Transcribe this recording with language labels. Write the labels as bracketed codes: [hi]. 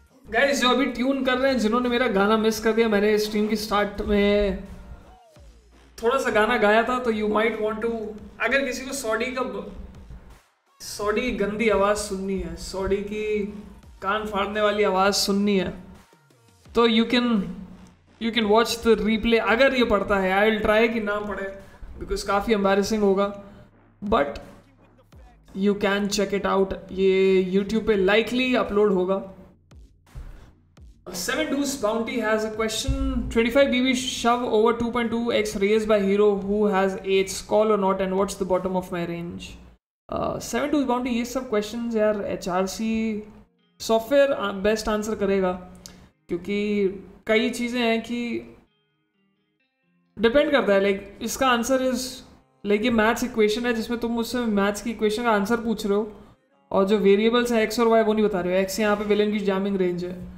[hi] Guys जो अभी tune कर रहे हैं, जिन्होंने मेरा गाना मिस कर दिया, मैंने स्ट्रीम की स्टार्ट में थोड़ा सा गाना गाया था, तो [en] you might want to, [hi] अगर किसी को सॉडी की गंदी आवाज सुननी है, सॉडी की कान फाड़ने वाली आवाज सुननी है, तो [en] you can watch the replay [hi] अगर ये पड़ता है. [en] I will try [hi] कि ना पड़े बिकॉज काफी एम्बेरसिंग होगा, [en] But you can check it out. [hi] ये यूट्यूब पे लाइकली अपलोड होगा. [en] Seven Deuce Bounty has a question. 25 BB shove over 2.2x raised by hero who has 8s, call or not, and what's the bottom of my range? [hi] Seven Deuce Bounty, ये सब questions यार HRC software best answer करेगा, क्योंकि कई चीजें हैं कि depend करता है. Like इसका answer is like ये maths equation है जिसमें तुम मुझसे maths की equation का answer पूछ रहे हो, और जो variables हैं x और y वो नहीं बता रहे हो. x यहाँ पे villain की jamming range है.